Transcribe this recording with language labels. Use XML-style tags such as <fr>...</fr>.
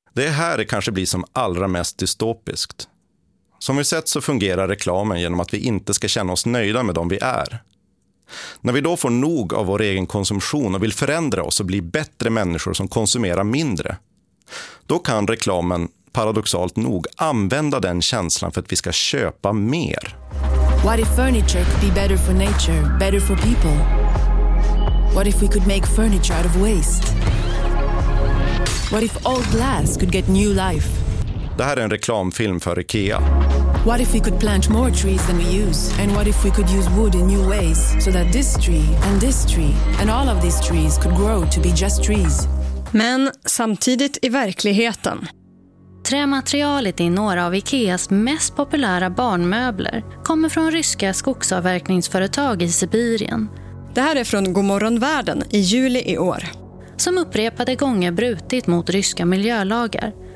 <sv>Det här kanske blir som allra mest dystopiskt. Som vi sett så fungerar reklamen genom att vi inte ska känna oss nöjda med dem vi är. När vi då får nog av vår egen konsumtion och vill förändra oss och bli bättre människor som konsumerar mindre, då kan reklamen paradoxalt nog använda den känslan för att vi ska köpa mer.</sv> <en>What if furniture could be better for nature, better for people? What if we could make furniture out of waste? What if old glass could get new life?</en> <sv>Det här är en reklamfilm för IKEA.</sv> <en>What if we could plant more trees than we use? And what if we could use wood in new ways so that this tree and all of these trees could grow to be just trees?</en> <sv>Men samtidigt i verkligheten. Trämaterialet i några av IKEAs mest populära barnmöbler kommer från ryska skogsavverkningsföretag i Sibirien. Det här är från Godmorgon Världen i juli i år. Som upprepade gånger brutit mot ryska miljölagar.</sv>